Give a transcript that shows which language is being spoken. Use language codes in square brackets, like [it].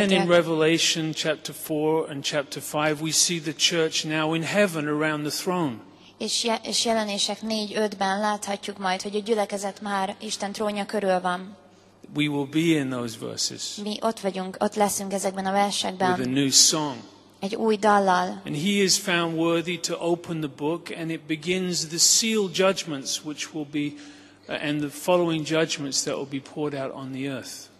[en] And then in Revelation chapter 4 and chapter 5 we see the church now in heaven around the throne. [hu] És jelenések 4-5-ben láthatjuk majd, hogy a gyülekezet már Isten trónja körül van. [en] We will be in those verses. [hu] Mi ott vagyunk, ott leszünk ezekben a versekben. [en] With a new song. [hu] Egy új dallal. [en] And he is found worthy to open the book, and it begins the seal judgments which will be and the following judgments that will be poured out on the earth.